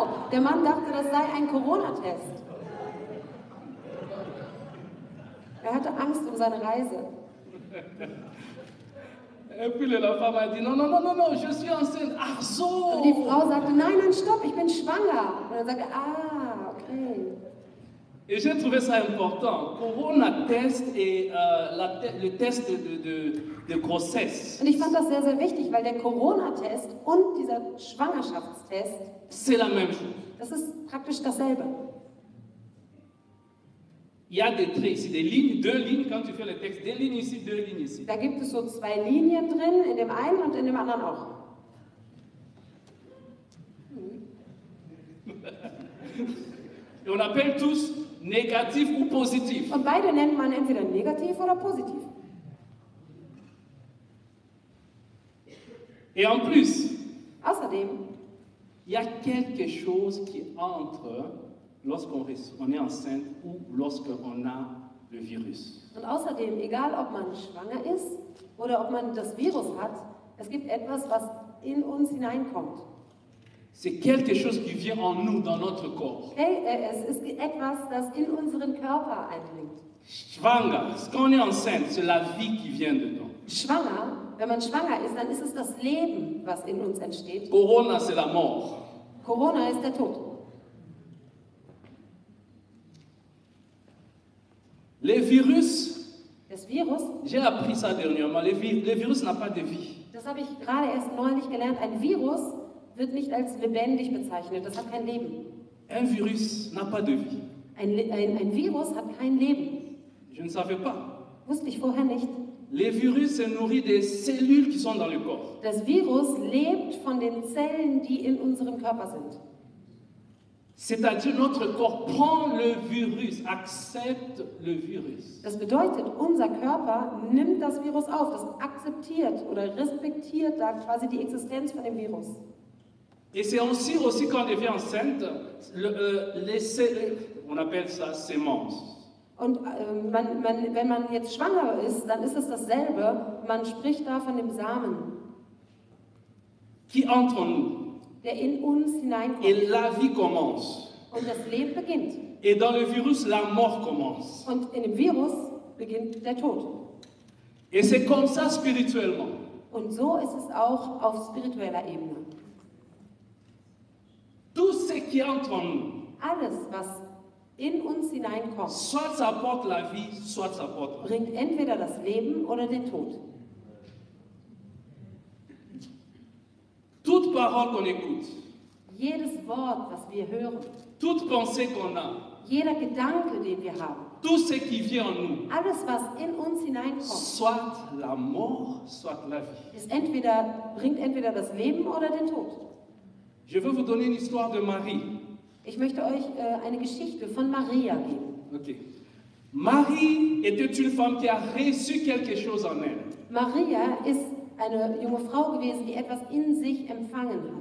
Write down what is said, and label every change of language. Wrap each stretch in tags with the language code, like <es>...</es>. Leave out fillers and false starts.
<de>Der Mann dachte, das sei ein Corona-Test. Er hatte Angst um seine Reise.</de> <fr>Et puis la femme a dit: Non, je suis enceinte.</fr> <de>Ach so. Und die Frau sagte: Nein, stopp, ich bin schwanger. Und er sagte: Ah, okay.</de> <fr>Et j'ai trouvé ça important. Corona test et le test de grossesse.</fr> <de>Und ich fand das sehr, sehr wichtig, weil der Corona-Test und dieser Schwangerschaftstest,</de> <fr>c'est la même chose.</fr> <de>Das ist praktisch dasselbe.</de> <fr>Il y a des traits ici, des lignes, deux lignes quand tu fais le texte, des lignes ici, deux lignes ici.</fr> <de>Da gibt es so zwei Linien drin, in dem einen und in dem anderen auch.</de> <fr>Et on appelle tous négatif ou positif.</fr> <de>Und beide nennt man entweder negativ oder positiv.</de> <fr>Et en plus,</fr> <de>außerdem,</de> <fr>il y a quelque chose qui entre lorsqu'on est enceinte ou lorsqu'on a le virus.</fr> <de>Und außerdem, egal ob man schwanger ist oder ob man das Virus hat, es gibt etwas, was in uns hineinkommt.</de> <fr>C'est quelque chose qui vient en nous, dans notre corps.</fr> <de>Hey, es ist etwas, das in unseren Körper eindringt. Schwanger,</de> <fr>quand on est enceinte, c'est la vie qui vient dedans.</fr> <de>Schwanger, wenn man schwanger ist, dann ist es das Leben, was in uns entsteht.</de> <fr>Corona, c'est la mort.</fr> <de>Corona ist der Tod.</de> <fr>Les virus,</fr> <de>das Virus,</de> <fr>j'ai appris ça dernièrement, le virus n'a pas de vie.</fr> <de>Das habe ich gerade erst neulich gelernt, ein Virus wird nicht als lebendig bezeichnet, das hat kein Leben.</de> <fr>Un virus n'a pas de vie.</fr> <de>Ein Virus hat kein Leben.</de> <fr>Je ne savais pas.</fr> <de>Wusste ich vorher nicht.</de> <fr>Les virus se nourrit des cellules qui sont dans le corps.</fr> <de>Das Virus lebt von den Zellen, die in unserem Körper sind.</de> <fr>C'est-à-dire notre corps prend le virus, accepte le virus.</fr> <de>Das bedeutet, unser Körper nimmt das Virus auf, das akzeptiert oder respektiert da quasi die Existenz von dem Virus.</de> <fr>Et c'est aussi quand on devient enceinte, les cellules, on appelle ça semence.</fr> <de>Und wenn man jetzt schwanger ist, dann ist es dasselbe, man spricht da von dem Samen.</de> <fr>Qui entre en nous.</fr> <de>Der in uns hineinkommt.</de> <fr>Et la vie commence.</fr> <de>Und das Leben beginnt.</de> <fr>Et dans le virus, la mort commence.</fr> <de>Und in dem Virus beginnt der Tod.</de> <fr>Et c'est comme ça spirituellement.</fr> <de>Und so ist es auch auf spiritueller Ebene.</de> <fr>Tout ce qui entre en nous.</fr> <de>Alles, was in uns hineinkommt,</de> <fr>soit ça apporte la vie, soit ça apporte la vie.</fr> <de>Bringt entweder das Leben oder den Tod.</de> <fr>Toute parole qu'on écoute,</fr> <de>jedes Wort, was wir hören,</de> <fr>toute pensée qu'on a,</fr> <de>jeder Gedanke, den wir haben,</de> <fr>tout ce qui vient en nous,</fr> <de>alles, was in uns hineinkommt,</de> <fr>soit la mort, soit la vie.</fr> <de>Ist entweder, bringt entweder das Leben oder den Tod.</de> <fr>Je veux vous donner une histoire de Marie.</fr> <de>Ich möchte euch eine Geschichte von Maria geben. Okay.</de> <fr>Marie était une femme qui a reçu quelque chose en elle.</fr> <de>Maria ist eine junge Frau gewesen, die etwas in sich empfangen hat.</de>